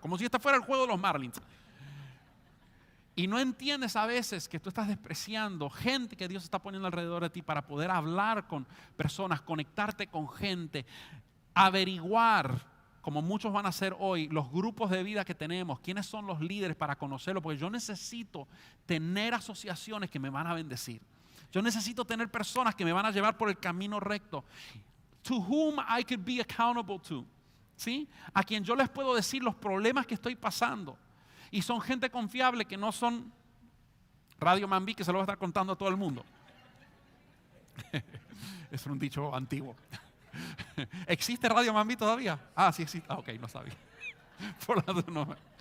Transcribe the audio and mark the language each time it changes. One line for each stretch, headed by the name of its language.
Spanish: Como si este fuera el juego de los Marlins. Y no entiendes a veces que tú estás despreciando gente que Dios está poniendo alrededor de ti para poder hablar con personas, conectarte con gente, averiguar, como muchos van a hacer hoy, los grupos de vida que tenemos, quiénes son los líderes para conocerlo, porque yo necesito tener asociaciones que me van a bendecir. Yo necesito tener personas que me van a llevar por el camino recto.
English: To whom I could be accountable to.
Spanish: ¿Sí? A quien yo les puedo decir los problemas que estoy pasando. Y son gente confiable, que no son Radio Mambí, que se lo va a estar contando a todo el mundo. Es un dicho antiguo. ¿Existe Radio Mambí todavía? Ah, sí existe. Ah, ok, no sabía. Por la no.